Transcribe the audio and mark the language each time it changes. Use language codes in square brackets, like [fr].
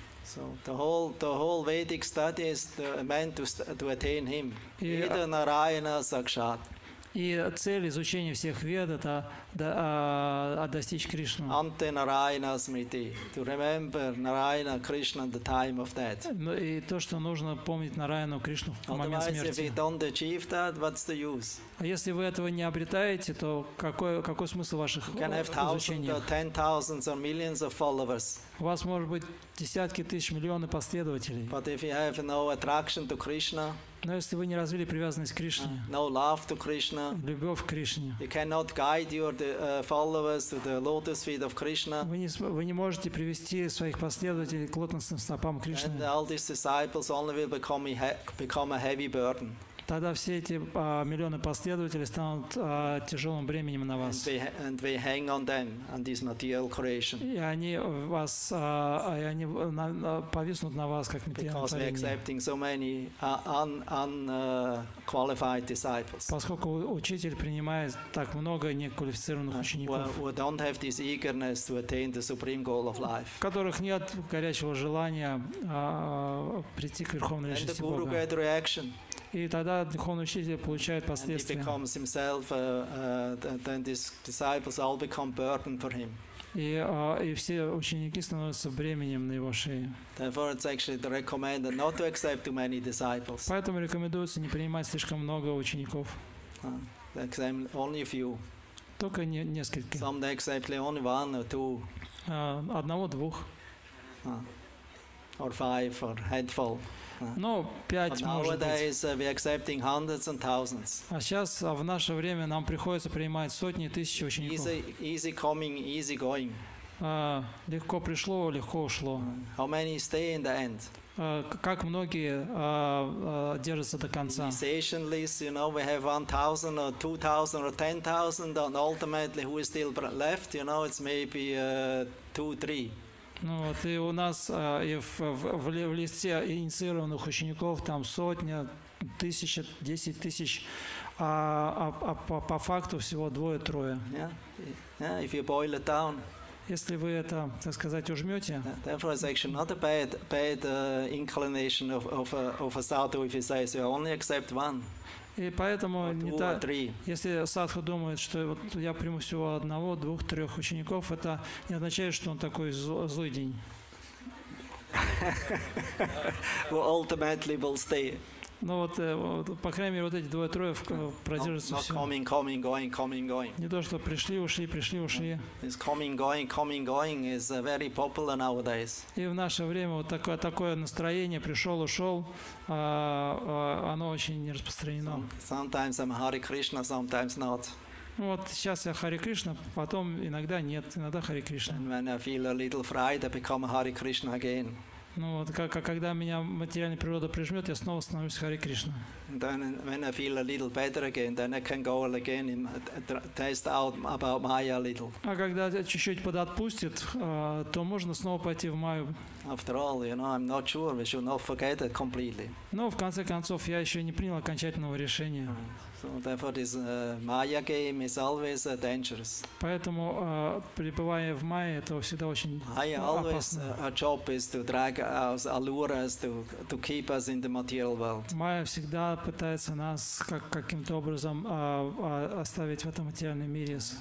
[en] So the whole Vedic study is meant to attain him. [sa] Veda Narayana Sakshat. [ru] И цель изучения всех Вед это достичь Кришны. [sa] Анте Нараяна Смрити. [en] To remember Нараяна Кришна at the time of death. [ru] Ну и то, что нужно помнить Нараяну Кришну в момент смерти. [en] Otherwise, if you don't achieve that, what's the use? [ru] А если вы этого не обретаете, то какой смысл ваших изучений? [en] Ten thousands or millions of followers. [ru] У вас может быть десятки тысяч, миллионы последователей. [en] But if you have no attraction to Krishna. [ru] Но если вы не развили привязанность к Кришне, [en] no love to Krishna, [ru] любовь к Кришне, [en] you cannot guide your followers to the lotus feet of Krishna. [ru] Вы не можете привести своих последователей к лотосным стопам Кришны. [en] And all these disciples only will become a heavy burden. [ru] Тогда все эти миллионы последователей станут тяжелым бременем на вас. [en] And we hang on them on this material creation. [ru] И они вас, и они повиснут на вас как материальное творение. [en] Because we're accepting so many unqualified disciples. [ru] Поскольку учитель принимает так много неквалифицированных учеников. [en] Who don't have this eagerness to attain the supreme goal of life. [ru] У которых нет горячего желания прийти к верховной личности Бога. [en] And the guru gets reaction. [ru] И тогда духовный учитель получает последствия. [en] And he becomes himself, then his disciples all become burden for him. [ru] И все ученики становятся бременем на его шее. [en] Therefore, it's actually recommended not to accept too many disciples. [ru] Поэтому рекомендуется не принимать слишком много учеников. [en] Accept only a few. [ru] Только несколько. [en] Some they accept only one or two. [ru] Одного-двух. [en] Or five, or handful. [ru] Ну, пять, может быть. [en] We accepting hundreds and thousands. [ru] А сейчас, в наше время, нам приходится принимать сотни тысяч учеников. [en] Easy coming, easy going. [ru] Легко пришло, легко ушло. [en] How many stay in the end? [ru] Как многие держатся до конца? [en] Initiation list, you know, we have 1,000 or 2,000 or 10,000, and ultimately, who is still left, you know, it's maybe 2-3. [ru] Ну вот и у нас в листе инициированных учеников там сотня, тысяча, 10 тысяч, а по факту всего двое-трое. [en] Yeah, if you boil it down. [ru] Если вы это, так сказать, ужмете. [en] Therefore, it's actually not a bad inclination of a sadhu if he says you only accept one. [ru] И поэтому не та, если садху думает, что вот я приму всего одного, двух, трех учеников, это не означает, что он такой злой день. [en] Ultimately will stay. [ru] Ну вот, по крайней мере, вот эти двое-трое продержатся [en] все. Coming, going. [ru] Не то, что пришли, ушли. [en] It's coming, going is very popular nowadays. [ru] И в наше время вот такое настроение, пришел, ушел, оно очень распространено. [en] Sometimes I'm Hare Krishna, sometimes not. [ru] Вот сейчас я Хари Кришна, потом иногда нет, иногда Хари Кришна. [en] And when I feel a little fried, I become Hare Krishna again. [ru] Ну вот, как когда меня материальная природа прижмет, я снова становлюсь Харе Кришна. [en] Then when I feel a little better again, then I can go again and test out about Maya a little. [ru] А когда чуть-чуть подотпустит, то можно снова пойти в Майю. [en] After all, you know, I'm not sure. We should not forget it completely. [ru] Но в конце концов я еще не принял окончательного решения. [en] So therefore, this Maya game is always dangerous. [ru] Поэтому пребывая в Майе, это всегда очень опасно. [en] I always our job is to drag us, allure us to keep us in the material world. [ru] Майя всегда пытается нас каким-то образом оставить в этом материальном мире.